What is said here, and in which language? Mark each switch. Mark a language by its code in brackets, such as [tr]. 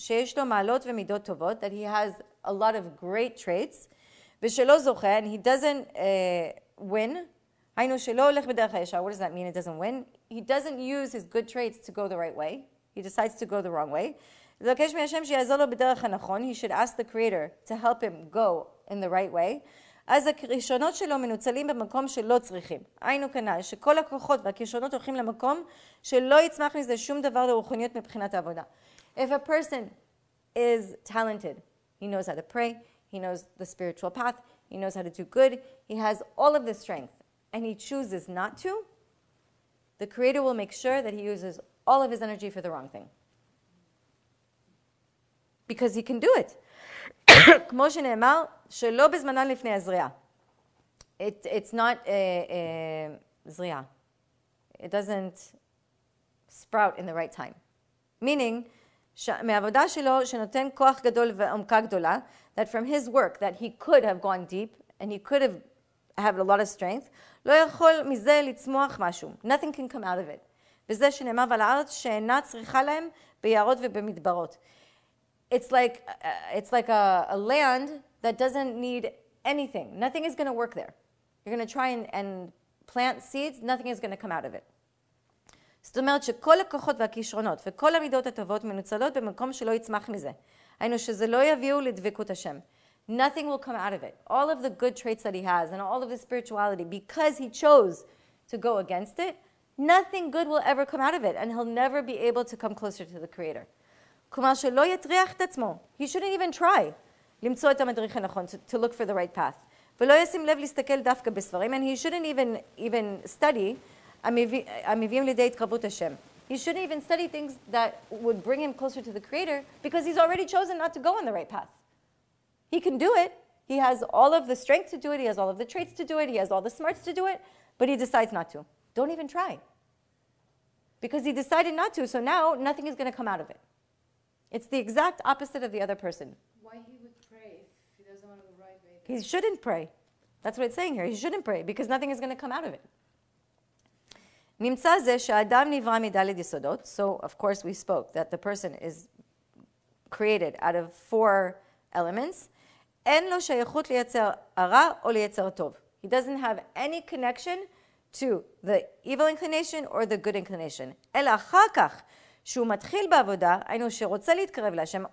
[en] that he has a lot of great traits, and he doesn't win, what does that mean, it doesn't win? He doesn't use his good traits to go the right way. He decides to go the wrong way. He should ask the Creator to help him go in the right way. [he] אז הכישרונות שלו מנוצלים במקום שלא צריכים. היינו כנ"ל, שכל הכוחות והכישרונות הולכים למקום שלא יצמח מזה שום דבר לרוחניות מבחינת העבודה. [en] If a person is talented, he knows how to pray, he knows the spiritual path, he knows how to do good, he has all of the strength, and he chooses not to, the Creator will make sure that he uses all of his energy for the wrong thing. Because he can do it. [he] כמו שנאמר, שלא בזמנן לפני הזריעה. [en] It's not זריעה. It doesn't sprout in the right time. [he] Meaning, מעבודה שלו שנותן כוח גדול ועומקה גדולה, [en] that from his work, that he could have gone deep, and he could have a lot of strength, [he] לא יכול מזה לצמוח משהו. [en] Nothing can come out of it. וזה שנאמר על הארץ שאינה צריכה להם ביערות ובמדברות. It's like a land that doesn't need anything. Nothing is going to work there. You're going to try and plant seeds. Nothing is going to come out of it. [he] זאת אומרת שכל הכוחות והכישרונות וכל המידות הטובות מנוצלות במקום שלא יצמח מזה. היינו שזה לא יביאו לדבקות השם. [en] Nothing will come out of it. All of the good traits that he has and all of the spirituality, because he chose to go against it, nothing good will ever come out of it, and he'll never be able to come closer to the Creator. [he] כלומר שלא יטריח את עצמו. [en] He shouldn't even try [he] למצוא את המדריך הנכון, [en] to look for the right path. [he] ולא ישים לב להסתכל דווקא בספרים, [en] and he shouldn't even study [he] המביאים לידי התקרבות השם. [en] He shouldn't even study things that would bring him closer to the Creator, because he's already chosen not to go on the right path. He can do it. He has all of the strength to do it. He has all of the traits to do it. He has all the smarts to do it. But he decides not to. Don't even try. Because he decided not to, so now nothing is going to come out of it. It's the exact opposite of the other person. Why he would pray if he doesn't want to go right way? He shouldn't pray. That's what it's saying here. He shouldn't pray because nothing is going to come out of it. [he] נמצא זה שאדם נברא מדלת יסודות. [en] So, of course, we spoke that the person is created out of four elements. [he] אין לו שייכות לייצר הרע או לייצר טוב. [en] He doesn't have any connection to the evil inclination or the good inclination. [he] אלא אחר כך, שהוא מתחיל בעבודה, היינו שרוצה להתקרב להשם,